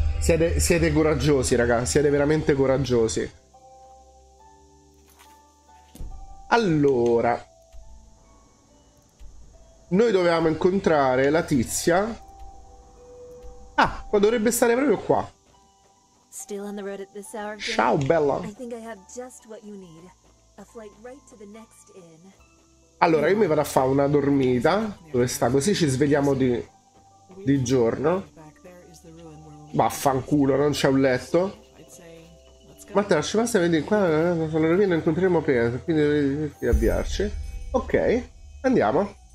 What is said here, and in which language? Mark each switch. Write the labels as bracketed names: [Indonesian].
[Italian] Siete coraggiosi, raga. Siete veramente coraggiosi. Allora, noi dovevamo incontrare la tizia. Ah, qua dovrebbe stare proprio qua. [English] Still on the road at this hour, [Italian] ciao bella. [English] I think I have just what you need. A flight right to the next inn. [Italian] Allora, io mi vado a fare una dormita. Dove sta? Così ci svegliamo di giorno. Vaffanculo, non c'è un letto. Ma te lasci, basta, vedi qua, la rovina incontriamo Pietro, quindi devi avviarci. Ok, andiamo.